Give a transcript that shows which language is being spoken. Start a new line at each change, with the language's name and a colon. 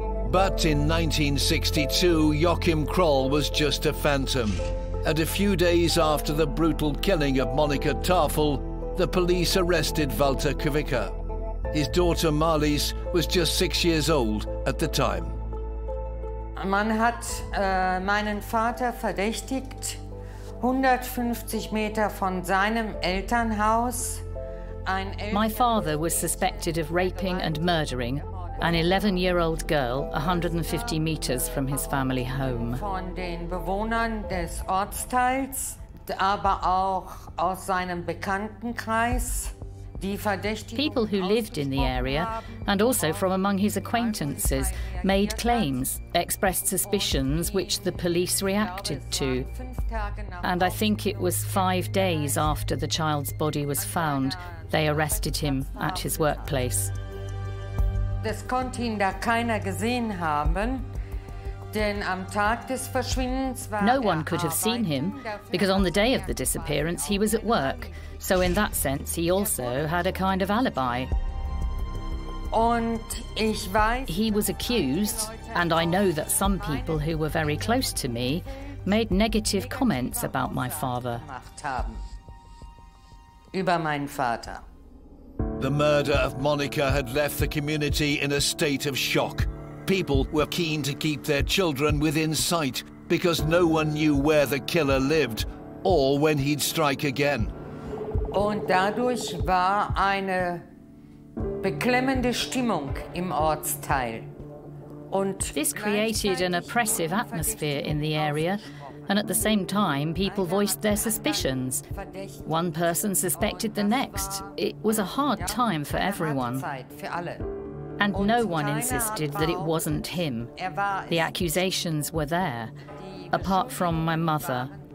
English: But in 1962, Joachim Kroll was just a phantom. And a few days after the brutal killing of Monika Tafel, the police arrested Walter Kvicker. His daughter Marlies was just 6 years old at the time.
German: Man hat meinen Vater verdächtigt, 150 Meter von seinem Elternhaus.
English: My father was suspected of raping and murdering an 11-year-old girl 150 meters from his family home.
German: Von den Bewohnern des Ortsteils, aber auch aus seinem Bekanntenkreis.
English: People who lived in the area, and also from among his acquaintances, made claims, expressed suspicions, which the police reacted to. And I think it was 5 days after the child's body was found, they arrested him at his workplace.
German: Das konnte ihn da keiner gesehen haben.
English: No one could have seen him, because on the day of the disappearance he was at work. So in that sense, he also had a kind of alibi. He was accused, and I know that some people who were very close to me made negative comments about my father. The murder of Monica had left the community in a state of shock. People were keen to keep their children within sight because no one knew where the killer lived or when he'd strike again.
German: Und dadurch war eine beklemmende Stimmung im Ortsteil. Und
English: this created an oppressive atmosphere in the area, and at the same time people voiced their suspicions. One person suspected the next. It was a hard time for everyone. And no one insisted that it wasn't him. The accusations were there, apart from my mother.